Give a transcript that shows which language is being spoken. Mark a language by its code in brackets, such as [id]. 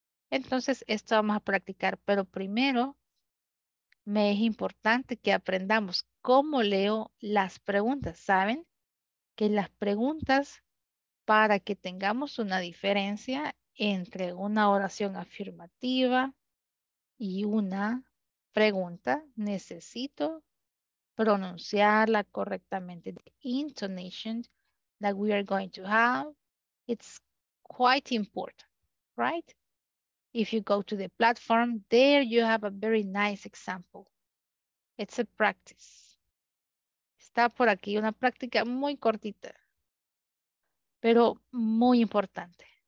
[es] Entonces, esto vamos a practicar, pero primero me es importante que aprendamos cómo leo las preguntas. ¿Saben? Que las preguntas, para que tengamos una diferencia entre una oración afirmativa y una pregunta, necesito pronunciarla correctamente. [en] The intonation that we are going to have, it's quite important, right? If you go to the platform, there you have a very nice example. It's a practice. [es] Está por aquí una práctica muy cortita, pero muy importante.